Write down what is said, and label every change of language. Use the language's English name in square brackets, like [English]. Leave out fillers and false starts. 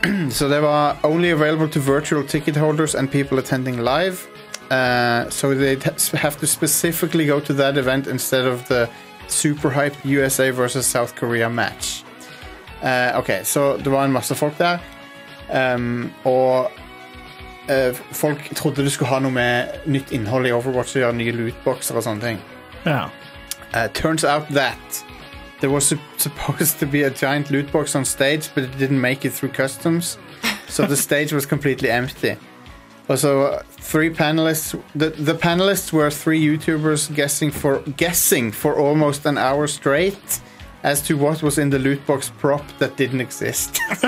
[English] So they were only available to virtual ticket holders and people attending live. So they have to specifically go to that event instead of the super hyped USA versus South Korea match. [Norwegian] Ok, så det var en masse folk der, og folk trodde du skulle ha noe med nytt innhold i Overwatch, og gjøre nye lootboxer og sånne ting. Ja. [English] Turns out that there was supposed to be a giant lootbox on stage, but it didn't make it through customs, so the stage was completely empty. Also, three panelists. The panelists were three YouTubers guessing for almost an hour straight as to what was in the loot box prop that didn't exist.